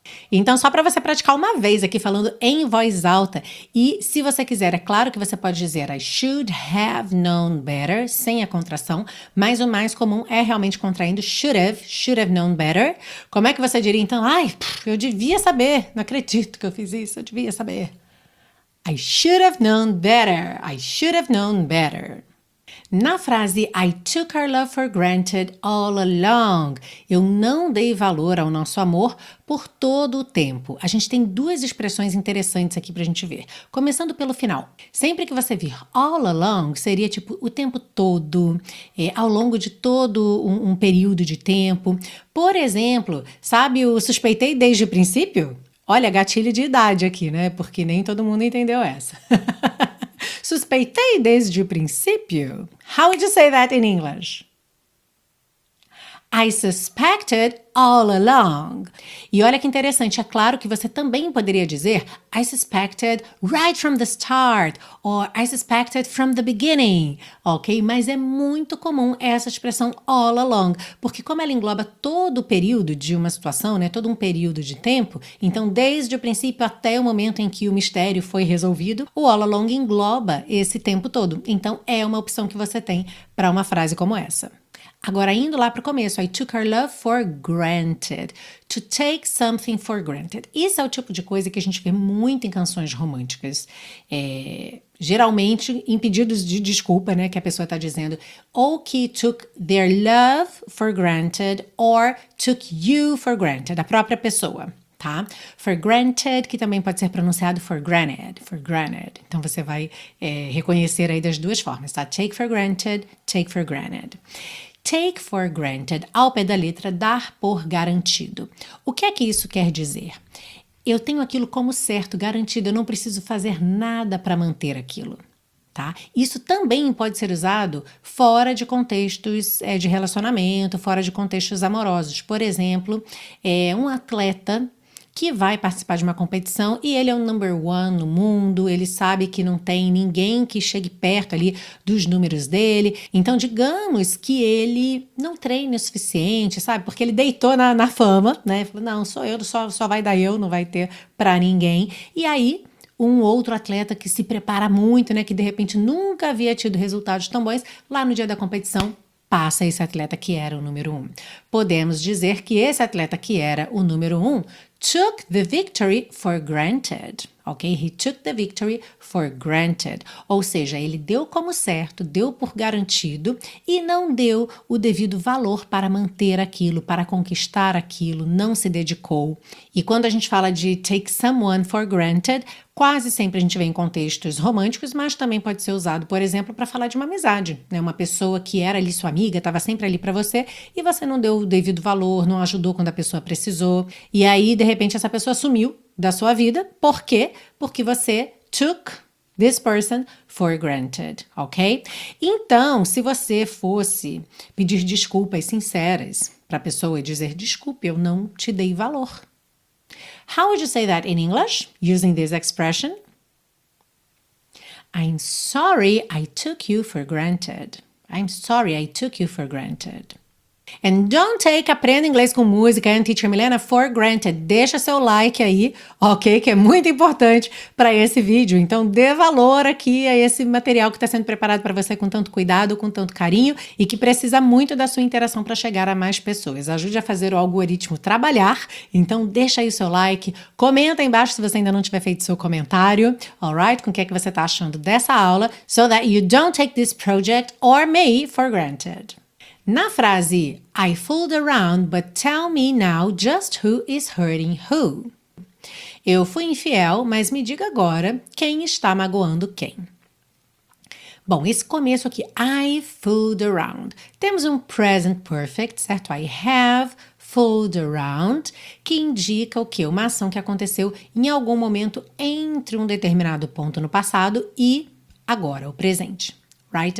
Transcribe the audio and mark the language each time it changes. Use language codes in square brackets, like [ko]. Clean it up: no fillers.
[pt] Então, só para você praticar uma vez aqui falando em voz alta, e se você quiser, é claro que você pode dizer [en] I should have known better, [pt] sem a contração, mas o mais comum é realmente contraindo should have known better. Como é que você diria então? Ai, eu devia saber, não acredito que eu fiz isso, eu devia saber. [en] I should have known better, I should have known better. [pt] Na frase, [en] I took our love for granted all along. [pt] Eu não dei valor ao nosso amor por todo o tempo. A gente tem duas expressões interessantes aqui pra gente ver. Começando pelo final. Sempre que você vir all along, seria tipo o tempo todo, ao longo de todo um período de tempo. Por exemplo, sabe o suspeitei desde o princípio? Olha, gatilho de idade aqui, né? Porque nem todo mundo entendeu essa. Suspeitei desde o princípio. [en] How would you say that in English? I suspected all along. [pt] E olha que interessante, é claro que você também poderia dizer [en] I suspected right from the start, or I suspected from the beginning, ok? [pt] Mas é muito comum essa expressão all along, porque como ela engloba todo o período de uma situação, né, todo um período de tempo, então desde o princípio até o momento em que o mistério foi resolvido, o all along engloba esse tempo todo. Então é uma opção que você tem para uma frase como essa. Agora, indo lá para o começo, [en] I took our love for granted. To take something for granted. [pt] Isso é o tipo de coisa que a gente vê muito em canções românticas. Geralmente, em pedidos de desculpa, né, que a pessoa está dizendo, ou que [en] took their love for granted, [pt] or took you for granted, a própria pessoa. Tá? For granted, que também pode ser pronunciado for granted, for granted. Então você vai reconhecer aí das duas formas, tá? [en] Take for granted, take for granted. Take for granted, [pt] ao pé da letra, dar por garantido. O que é que isso quer dizer? Eu tenho aquilo como certo, garantido, eu não preciso fazer nada para manter aquilo. Tá? Isso também pode ser usado fora de contextos de relacionamento, fora de contextos amorosos. Por exemplo, um atleta que vai participar de uma competição e ele é o number one no mundo, ele sabe que não tem ninguém que chegue perto ali dos números dele. Então, digamos que ele não treine o suficiente, sabe? Porque ele deitou na fama, né? Falou, não, sou eu, só vai dar eu, não vai ter pra ninguém. E aí, um outro atleta que se prepara muito, né? Que, de repente, nunca havia tido resultados tão bons, lá no dia da competição, passa esse atleta que era o número um. Podemos dizer que esse atleta que era o número um [en] took the victory for granted, [pt] ok? [en] He took the victory for granted. [pt] Ou seja, ele deu como certo, deu por garantido e não deu o devido valor para manter aquilo, para conquistar aquilo, não se dedicou. E quando a gente fala de [en] take someone for granted, [pt] quase sempre a gente vê em contextos românticos, mas também pode ser usado, por exemplo, para falar de uma amizade, né? Uma pessoa que era ali sua amiga, estava sempre ali para você e você não deu o devido valor, não ajudou quando a pessoa precisou. E aí, de repente, essa pessoa sumiu da sua vida. Por quê? Porque você [en] took this person for granted, [pt] ok? Então, se você fosse pedir desculpas sinceras para a pessoa e dizer, desculpe, eu não te dei valor. [en] How would you say that in English, using this expression? I'm sorry I took you for granted. I'm sorry I took you for granted. And don't take Aprenda Inglês com Música and Teacher Milena for granted. [pt] Deixa seu like aí, ok? Que é muito importante para esse vídeo. Então, dê valor aqui a esse material que está sendo preparado para você com tanto cuidado, com tanto carinho e que precisa muito da sua interação para chegar a mais pessoas. Ajude a fazer o algoritmo trabalhar. Então, deixa aí seu like. Comenta aí embaixo se você ainda não tiver feito seu comentário. Alright? Com o que é que você está achando dessa aula? [en] So that you don't take this project or me for granted. [pt] Na frase, [en] I fooled around, but tell me now just who is hurting who. [pt] Eu fui infiel, mas me diga agora quem está magoando quem. Bom, esse começo aqui, [en] I fooled around. [pt] Temos um present perfect, certo? [en] I have fooled around, [pt] que indica o quê? Uma ação que aconteceu em algum momento entre um determinado ponto no passado e agora, o presente. Right?